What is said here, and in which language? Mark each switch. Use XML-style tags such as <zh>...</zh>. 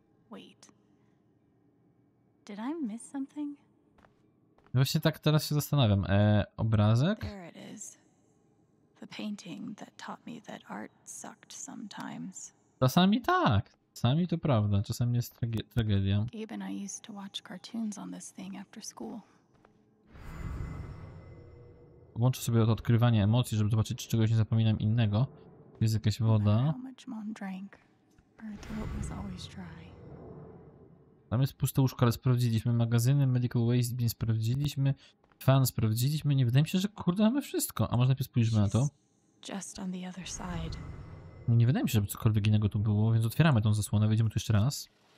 <en>Wait. Did I miss something?</en> <pl>Właśnie tak teraz się zastanawiam. Obrazek?</pl> <en>The painting that taught me that art sucked sometimes.</en> <pl>Czasami tak. Czasami to prawda. Czasami jest tragedia.</pl> <en>Gabe and I used to watch cartoons on this thing after school.</en> <pl>Włączę sobie to odkrywanie emocji, żeby zobaczyć, czy czegoś nie zapominam innego. Jest jakaś woda.</pl> <en>How much mom drank. Her throat was always dry.</en> <pl>Tam jest puste łóżko, ale sprawdziliśmy. Magazyny,</pl> <en>medical waste bin</en> <pl>sprawdziliśmy. Fan sprawdziliśmy. Nie wydaje mi się, że kurde, mamy wszystko. A może najpierw spójrzmy na to?</pl> <en>Just on the other side.</en> <pl>Nie wydaje mi się, żeby cokolwiek innego tu było, więc otwieramy tą zasłonę. Wejdziemy tu jeszcze raz.</pl>